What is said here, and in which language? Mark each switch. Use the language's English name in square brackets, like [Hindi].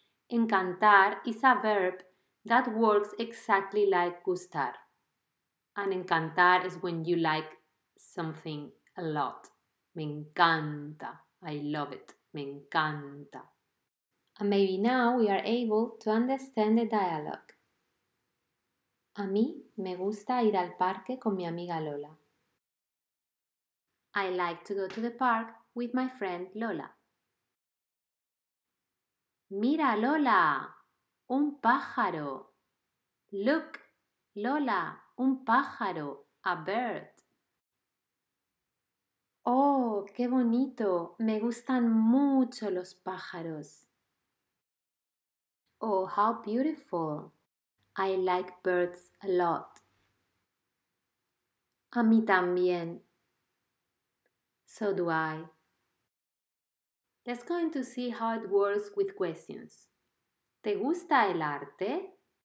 [English] Encantar is a verb that works exactly like gustar. And encantar is when you like something a lot. [Spanish] Me encanta, [English] I love it, [Spanish] me encanta. [English] And maybe now we are able to understand the dialogue. [Spanish] A mí me gusta ir al parque con mi amiga Lola. [English] I like to go to the park with my friend Lola. [Spanish] Mira, Lola, un pájaro. [English] Look, Lola, [Spanish] un pájaro, [English] a bird. [Spanish] Oh, qué bonito, me gustan mucho los pájaros. [English] Oh, how beautiful, I like birds a lot. [Spanish] A mí también. [English] So do I. Let's go into see how it works with questions. [Spanish] ¿Te gusta el arte?